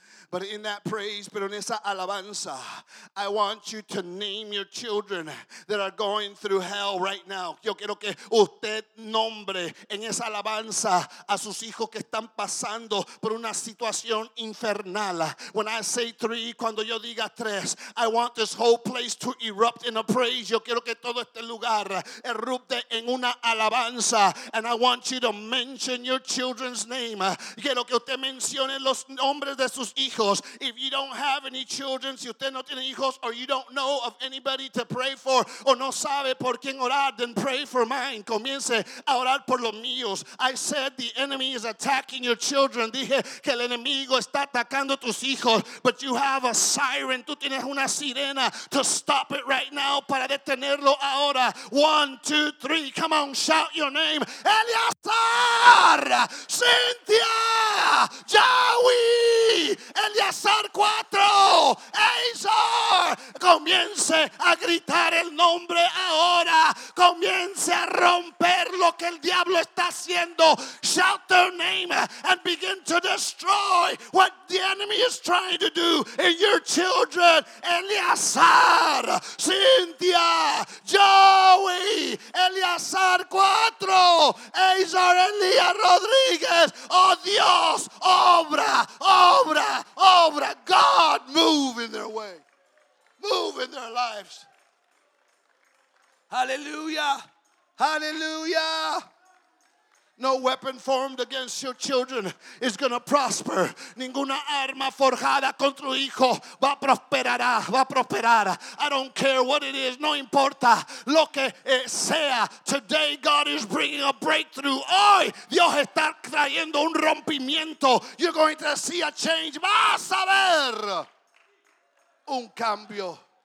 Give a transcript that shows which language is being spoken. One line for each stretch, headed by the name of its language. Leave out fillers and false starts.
English: But in that praise,
Spanish: pero en esa alabanza,
English: I want you to name your children that are going through hell right now.
Spanish: Yo quiero que usted nombre en esa alabanza a sus hijos que están pasando por una situación infernal.
English: When I say three,
Spanish: cuando yo diga tres,
English: I want this whole place to erupt in a praise.
Spanish: Yo quiero que todo este lugar erupte en una alabanza.
English: And I want you to mention your children's name.
Spanish: Quiero que usted mencione los nombres de sus hijos.
English: If you don't have any children,
Spanish: si usted no tiene hijos,
English: or you don't know of anybody to pray for,
Spanish: o no sabe por quién orar,
English: then pray for mine.
Spanish: Comience a orar por los míos.
English: I said the enemy is attacking your children.
Spanish: Dije que el enemigo está atacando tus hijos.
English: But you have a siren.
Spanish: Tú tienes una sirena
English: to stop it right now,
Spanish: para detenerlo ahora.
English: One, two, three. Come on, shout your name. Eleazar, Cynthia, Yahweh.
Spanish: Eleazar 4, Azor, comience a gritar el nombre ahora. Comience a romper lo que el diablo está haciendo.
English: Shout their name and begin to destroy what the enemy is trying to do in your children. Eleazar, Cynthia, Joey, Eleazar 4, Azor, Elia Rodriguez.
Spanish: Oh Dios, obra, obra, obra.
English: God, move in their way. Move in their lives. Hallelujah. Hallelujah. No weapon formed against your children is going to prosper.
Spanish: Ninguna arma forjada contra tu hijo va a prosperar. Va a prosperar.
English: I don't care what it is.
Spanish: No importa lo que sea.
English: Today God is bringing a breakthrough.
Spanish: Hoy Dios está trayendo un rompimiento.
English: You're going to see a change.
Spanish: Vas a ver un cambio.